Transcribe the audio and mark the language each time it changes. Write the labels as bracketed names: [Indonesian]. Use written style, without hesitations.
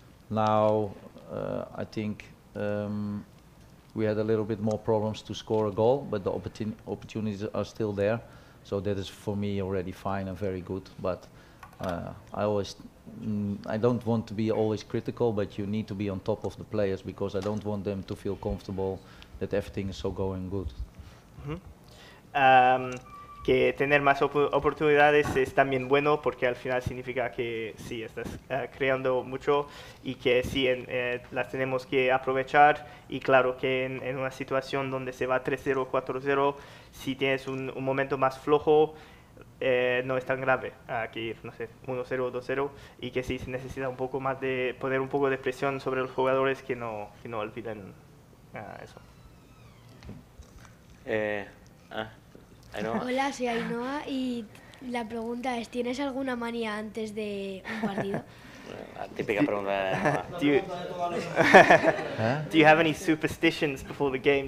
[English] Now, I think we had a little bit more problems to score a goal, but the opportunities are still there. So that is for me already fine and very good. But I don't want to be always critical, but you need to be on top of the players because I don't want them to feel comfortable that everything is so going good. Mm-hmm. [Spanish] Que tener más oportunidades es también bueno porque al final significa que sí, estás creando mucho y que sí, las tenemos que aprovechar. Y claro que en una situación donde se va 3-0, 4-0, si tienes un momento más flojo, no es tan grave que ir, no sé, 1-0 o 2-0. Y que sí, se necesita un poco más de poner un poco de presión sobre los jugadores que no olviden eso. Hola, soy Ainhoa y La pregunta es, ¿tienes alguna manía antes de un partido? Típica pregunta. [English] Do you have any superstitions before the game?